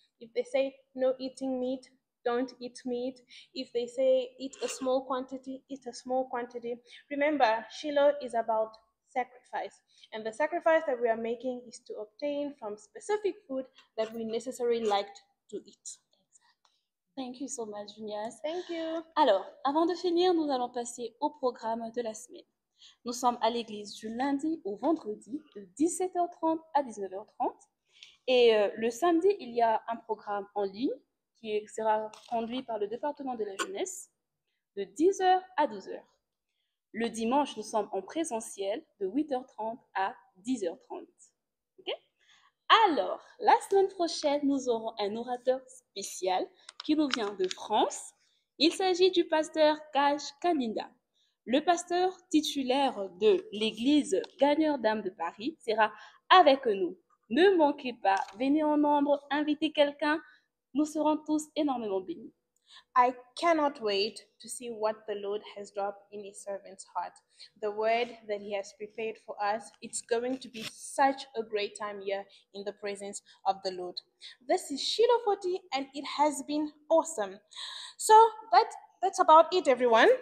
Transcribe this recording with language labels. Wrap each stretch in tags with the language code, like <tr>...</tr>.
<en>If they say no eating meat, don't eat meat. If they say eat a small quantity, eat a small quantity. Remember, Shiloh is about sacrifice. And the sacrifice that we are making is to obtain from specific food that we necessarily liked to eat. Thank you so much, Junias. Thank you.</en> <fr>Alors, avant de finir, nous allons passer au programme de la semaine. Nous sommes à l'église du lundi au vendredi de 17h30 à 19h30. Et le samedi, il y a un programme en ligne qui sera conduit par le département de la jeunesse de 10h à 12h. Le dimanche, nous sommes en présentiel de 8h30 à 10h30. Okay? Alors, la semaine prochaine, nous aurons un orateur spécial qui nous vient de France. Il s'agit du pasteur Kaj Kaninda. Le pasteur titulaire de l'église Gagneur d'âme de Paris sera avec nous. Ne manquez pas, venez en nombre, invitez quelqu'un, nous serons tous énormément bénis.</fr> <en>I cannot wait to see what the Lord has dropped in his servant's heart. The word that he has prepared for us, it's going to be such a great time here in the presence of the Lord. This is Shiloh 40 and it has been awesome. So that's about it, everyone.</en>